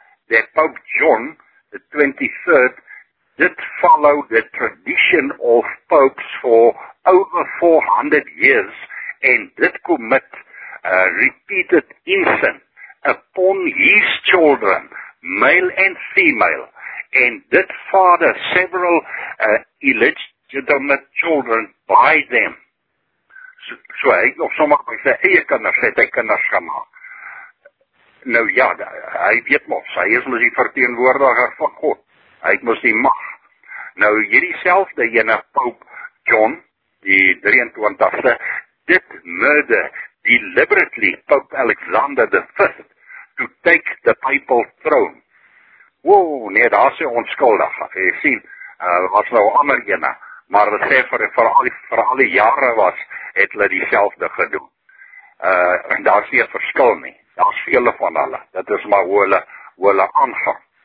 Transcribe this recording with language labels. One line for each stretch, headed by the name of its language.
English: That Pope John the 23rd did follow the tradition of popes for over 400 years and did commit repeated incest upon his children, male and female, and did father several illegitimate children by them.
Afrikaans: So hy het nog sommer by sy eie kinders, het hy kinders gemaak. Nou ja, hy weet mos, hy is mos die verteenwoordiger van God, hy het mos die mag. Nou hierdie selfde ene
English: Pope John,
Afrikaans: die 23ste,
English: did murder deliberately Pope Alexander the Fifth to take the papal throne.
Afrikaans: Wow, nee, daar is hy onskuldig, jy sien, was nou ander ene, maar sê vir al die jare was, het hulle dieselfde gedoen. En daar is nie een verskil nie, daar is vele van hulle, dit is maar hoe hulle aangang.